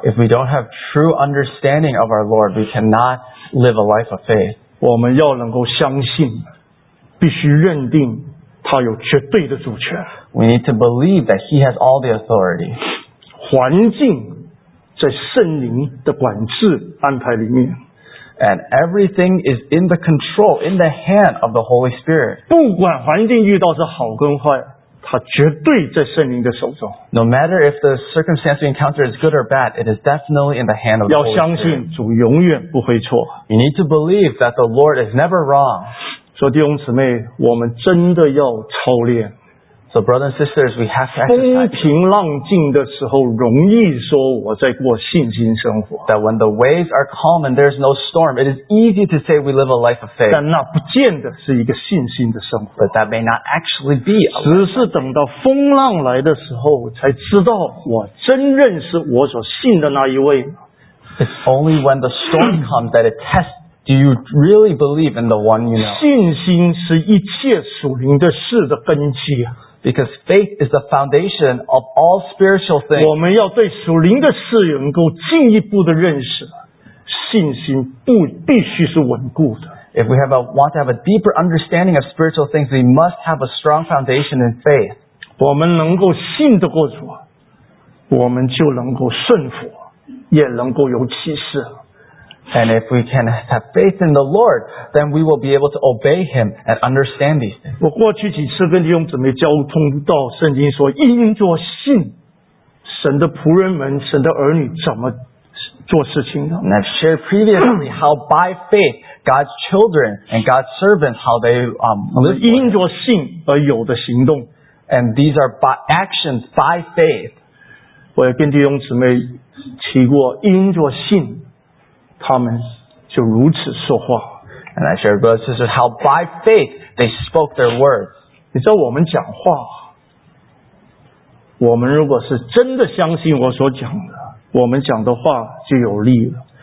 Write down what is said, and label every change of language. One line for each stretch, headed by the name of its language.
English: If we don't have true understanding of our Lord, we cannot live a life of faith.
Chinese: 我们要能够相信，必须认定他有绝对的主权。
English: We need to believe that he has all the authority.
Chinese: 环境在圣灵的管制安排里面。
English: And everything is in the control, in the hand of the Holy Spirit.
Chinese: 不管环境遇到是好跟坏，他绝对在圣灵的手中。
English: No matter if the circumstance we encounter is good or bad, it is definitely in the hand of the Lord.
Chinese: 要相信主永远不会错。
English: You need to believe that the Lord is never wrong.
Chinese: 所以弟兄姊妹，我们真的要操练。
English: So brothers and sisters, we have to exercise.
Chinese: 风平浪静的时候，容易说我在过信心生活。
English: That when the waves are calm and there's no storm, it is easy to say we live a life of faith.
Chinese: 但那不见得是一个信心的生活。
English: But that may not actually be.
Chinese: 只是等到风浪来的时候，才知道我真认识我所信的那一位。
English: It's only when the storm comes that it tests. Do you really believe in the one you know?
Chinese: 信心是一切属灵的事的根基啊。
English: Because faith is the foundation of all spiritual things.
Chinese: 我们要对属灵的事能够进一步的认识，信心必须是稳固的。
English: If we want to have a deeper understanding of spiritual things, we must have a strong foundation in faith.
Chinese: 我们能够信得过主，我们就能够顺服，也能够有启示。
English: And if we can have faith in the Lord, then we will be able to obey Him and understand these things.
Chinese: 我过去几次跟弟兄姊妹交通到圣经说，因着信，神的仆人们、神的儿女怎么做事情的。
English: And I've shared previously how by faith, God's children and God's servants, how they live.
Chinese: 因着信而有的行动。
English: And these are by actions by faith.
Chinese: 我也跟弟兄姊妹提过，因着信，他们就如此说话。
English: And I shared with brothers and how by faith they spoke their words.
Chinese: 你知道我们讲话，我们如果是真的相信我所讲的，我们讲的话就有力了。